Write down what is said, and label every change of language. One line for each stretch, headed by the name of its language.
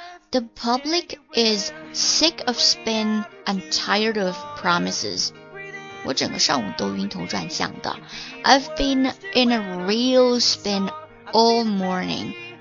English: The public is sick of spin and tired of promises.
Chinese: 我整个上午都晕头转向的。
English: I've been in a real spin all morning.